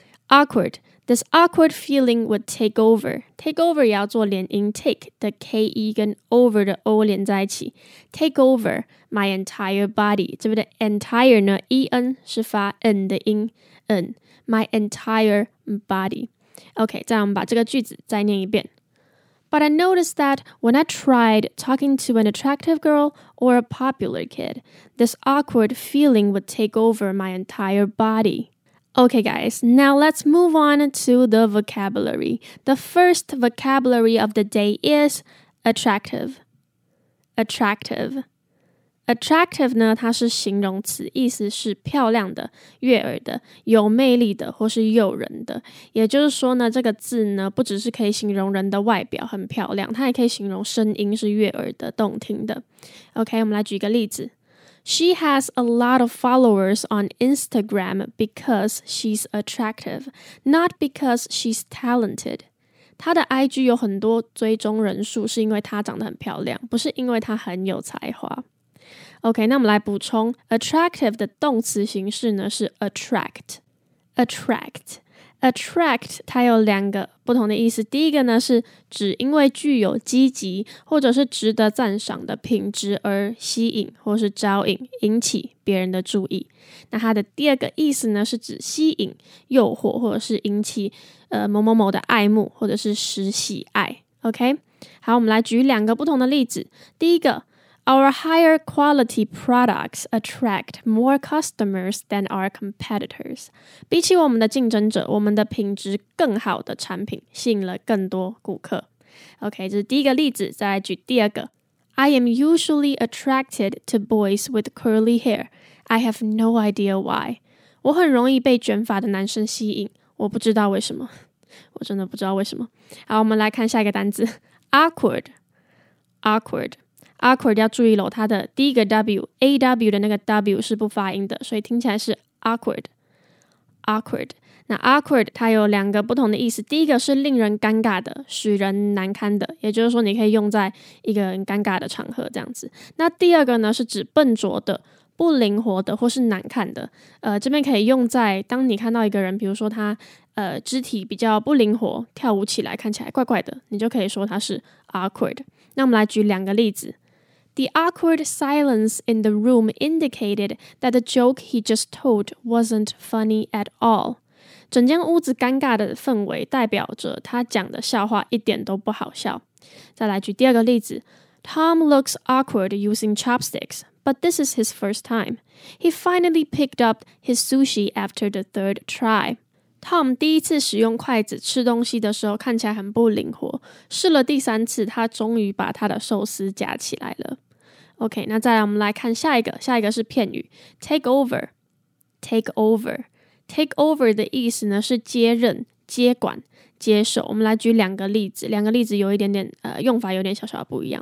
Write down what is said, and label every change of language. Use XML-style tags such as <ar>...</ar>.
<en>Awkward, this awkward feeling would take over. Take over</en> <zh>也要做连音， take 的 K-E 跟 over 的 O 连在一起。</zh> <en>Take over my entire body.</en> <zh>这边的 entire 呢， E-N 是发 N 的音，</zh> <en>N, my entire body.</en> <zh>OK, 再我们把这个句子再念一遍。</zh> <en>But I noticed that when I tried talking to an attractive girl or a popular kid, this awkward feeling would take over my entire body. Okay guys, now let's move on to the vocabulary. The first vocabulary of the day is attractive.</en> <zh>Attractive. Attractive 呢它是形容词，意思是漂亮的、悦耳的、有魅力的或是诱人的。也就是说呢这个字呢不只是可以形容人的外表很漂亮，它也可以形容声音是悦耳的、动听的。 Okay, 我们来举一个例子。</zh> <en>She has a lot of followers on Instagram because she's attractive, not because she's talented.</en> <zh>她的 IG 有很多追踪人数是因为她长得很漂亮，不是因为她很有才华。 OK, 那我们来补充 ,attractive 的动词形式呢是 attract. Attract. attract 它有两个不同的意思，第一个呢是指因为具有积极或者是值得赞赏的品质而吸引或是招引引起别人的注意，那它的第二个意思呢是指吸引诱惑或者是引起某某某的爱慕或者是使喜爱。 OK， 好，我们来举两个不同的例子。第一个，</zh> <en>Our higher quality products attract more customers than our competitors.</en> <zh>比起我们的竞争者，我们的品质更好的产品吸引了更多顾客。 OK， 这是第一个例子。再来举第二个，</zh> <en>I am usually attracted to boys with curly hair. I have no idea why.</en> <zh>我很容易被卷发的男生吸引，我不知道为什么，我真的不知道为什么。好，我们来看下一个单字， awkward， awkward， awkward 要注意了，它的第一个 W， AW 的那个 W 是不发音的，所以听起来是 awkward， awkward。那 awkward 它有两个不同的意思，第一个是令人尴尬的，使人难堪的，也就是说你可以用在一个很尴尬的场合这样子。那第二个呢是指笨拙的，不灵活的或是难看的，这边可以用在当你看到一个人，比如说他肢体比较不灵活，跳舞起来看起来怪怪的，你就可以说他是 awkward。那我们来举两个例子。</zh> <en>The awkward silence in the room indicated that the joke he just told wasn't funny at all.</en> <zh>整间屋子尴尬的氛围代表着他讲的笑话一点都不好笑。再来举第二个例子，</zh> <en>Tom looks awkward using chopsticks. But this is his first time. He finally picked up his sushi after the third try.</en> <zh>Tom 第一次使用筷子吃东西的时候看起来很不灵活，试了第三次他终于把他的寿司夹起来了。 OK， 那再来我们来看下一个，下一个是片语 take over。 take over， take over 的意思呢是接任、接管、接手。我们来举两个例子，两个例子有一点点用法有点小小的不一样。</zh>